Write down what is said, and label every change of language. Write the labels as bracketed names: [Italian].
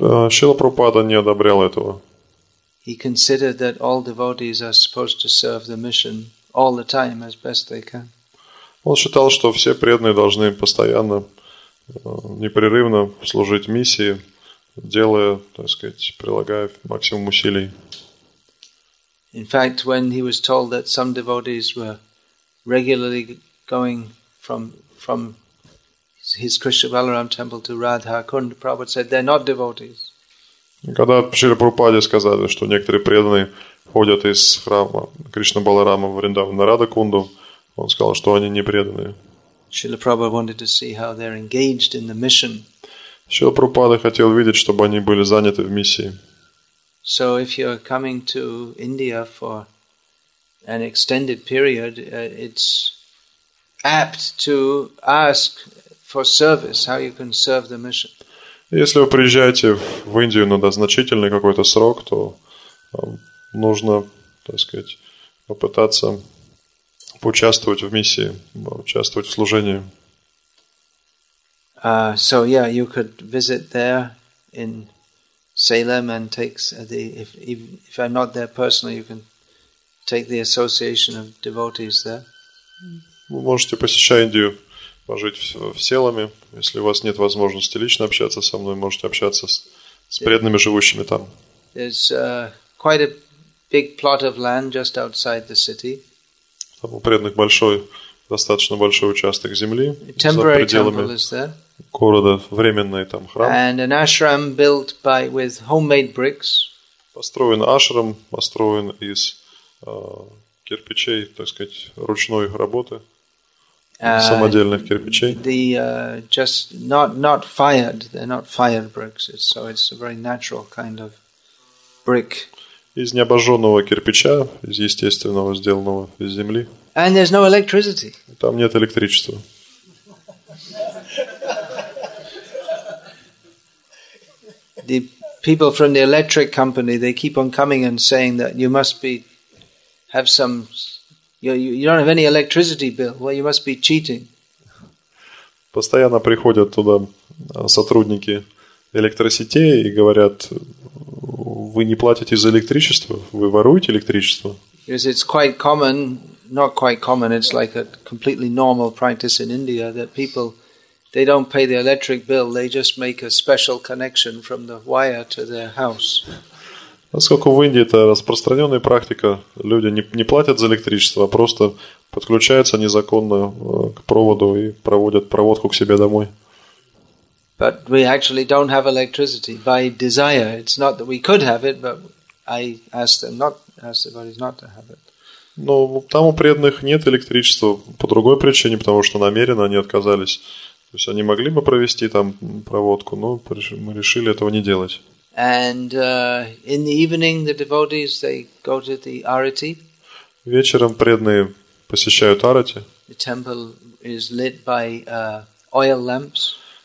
[Russian] Шрила Прабхупада не одобрял этого. [English] He considered that all devotees are supposed to serve the mission all the time as best they can. [Russian] Он считал, что все преданные должны постоянно, непрерывно служить миссии, делая, так сказать, прилагая максимум усилий. [English] In fact, when he was told that some devotees were regularly going from his Krishna Balaram temple to Radha Kund, Prabhupada said they're not devotees. [Russian] Когда Шрила Прабхупаде сказали, что некоторые преданные ходят из храма Кришна Баларама в Вриндаван на Радха Кунду, он сказал, что они не преданные. [English] Шрила Прабхупада wanted to see how they're engaged in the mission. [Russian] Шрила Прабхупада хотел видеть, чтобы они были заняты в миссии. [English] So if you're coming to India for an extended period, it's apt to ask for service, how you can serve the mission. [Russian] Если вы приезжаете в Индию на значительный какой-то срок, то нужно, так сказать, попытаться поучаствовать в миссии, участвовать в служении. [English] You could visit there in Salem and take the if I'm not there personally, you can take the association of devotees there. [Russian] Вы можете посещать Индию, пожить в Селаме. Если у вас нет возможности лично общаться со мной, можете общаться с преданными, живущими там. [English] There's quite a big plot of land just outside the city. [Russian] Там у преданных большой, достаточно большой участок земли за пределами города, временный там храм. [English] And an ashram built by with homemade bricks. [Russian] Построен ашрам, построен из кирпичей, так сказать, ручной работы, самодельных кирпичей. [English] The just not fired, they're not fired bricks. It's a very natural kind of brick. [Russian] Из необожженного кирпича, из естественного, сделанного из земли. [English] And there's no electricity. [Russian] Там нет электричества. [English] The people from the electric company, they keep on coming and saying that you must be have some, you don't have any electricity bill. Well, you must be cheating. [Russian] Постоянно приходят туда сотрудники электросетей и говорят: вы не платите за электричество, вы воруете электричество. [English] Because it's quite common, not quite common, it's like a completely normal practice in India that people, they don't pay the electric bill, they just make a special connection from the wire to their house. [Russian] Поскольку в Индии это распространенная практика, люди не платят за электричество, а просто подключаются незаконно к проводу и проводят проводку к себе домой. [English] But we actually don't have electricity by desire. It's not that we could have it, but I asked them not, asked the bodies not to have it. [Russian] Но там у преданных нет электричества по другой причине, потому что намеренно они отказались. То есть они могли бы провести там проводку, но мы решили этого не делать. [English] And in the evening the devotees they go to the arati. [Russian] Вечером преданные посещают арати. [English] The temple is lit by oil lamps.